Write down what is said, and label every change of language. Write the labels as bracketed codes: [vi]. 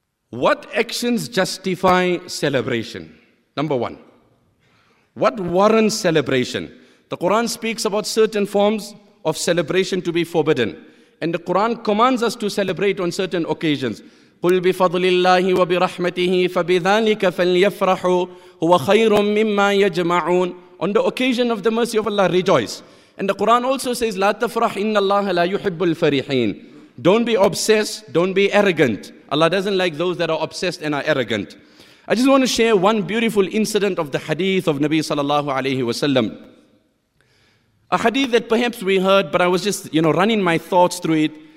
[en] What actions justify celebration? Number one, what warrants celebration? The Quran speaks about certain forms of celebration to be forbidden. And the Quran commands us to celebrate on certain occasions. [ar] قُلْ بِفَضْلِ اللَّهِ وَبِرَحْمَتِهِ فَبِذَلِكَ فَلْيَفْرَحُوا هُوَ خَيْرٌ مِّمَّا يَجْمَعُونَ, [en] on the occasion of the mercy of Allah, rejoice. And the Quran also says, [ar] لَا تَفْرَحْ إِنَّ اللَّهَ لَا يُحِبُّ الْفَرِحِينَ, [en] don't be obsessed, don't be arrogant. Allah doesn't like those that are obsessed and are arrogant. I just want to share one beautiful incident of the hadith of Nabi sallallahu alayhi wa sallam. A hadith that perhaps we heard, but I was just, running my thoughts through it.